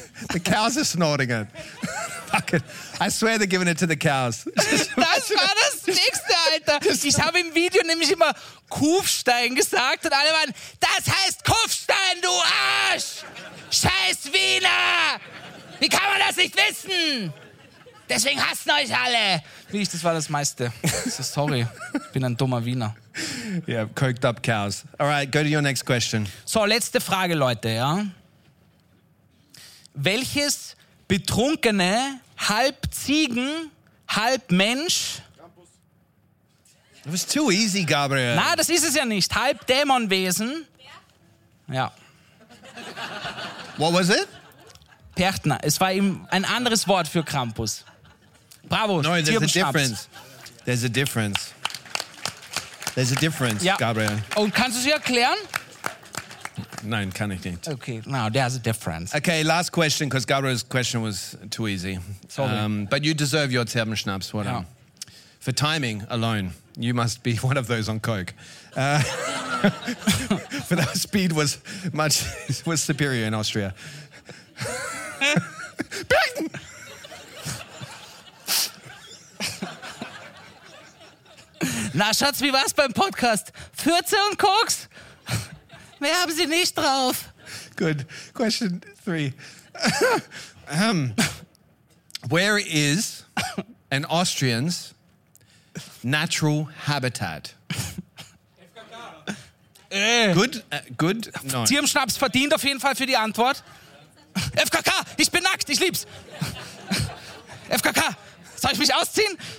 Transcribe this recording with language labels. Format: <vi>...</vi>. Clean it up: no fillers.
<en>The cows are snorting it. Fuck it. I swear they're giving it to the cows.</en> <de>Das war das Nächste, Alter. Ich habe im Video nämlich immer Kufstein gesagt und alle waren, das heißt Kufstein, du Arsch! Scheiß Wiener! Wie kann man das nicht wissen? Deswegen hassen euch alle. Das war das meiste.</de> <en>So sorry,</en> <de>ich bin ein dummer Wiener.</de> <en>Yeah, coked up cows. All right, go to your next question.</en> <de>So, letzte Frage, Leute, ja? welches betrunkene, halb Ziegen, halb Mensch...</de> <en>It was too easy, Gabriel.</en> <de>Nein, das ist es ja nicht. Halb Dämonwesen. Ja.</de> <en>What was it?</en> <de>Pärtner. Es war eben ein anderes Wort für Krampus. Bravo.</de> <en>No, there's a difference. There's a difference. There's a difference, ja. Gabriel.</en> <de>Und kannst du sie erklären? Nein, kann ich nicht.</de> <en>Okay, now there's a difference. Okay, last question, because Gabriel's question was too easy. Sorry. But you deserve your Zirbenschnaps, whatever. Ja. For timing alone, you must be one of those on coke. for that speed was much was superior in Austria.</en> <de>Na, Schatz, wie war's beim Podcast? Fürze und Koks? Mehr haben Sie nicht drauf.</de> <en>Good. Question three. where is an Austrian's natural habitat? Good, good, no.</en> <de>Zirbenschnaps verdient auf jeden Fall für die Antwort. FKK, ich bin nackt, ich lieb's. FKK, soll ich mich ausziehen?</de>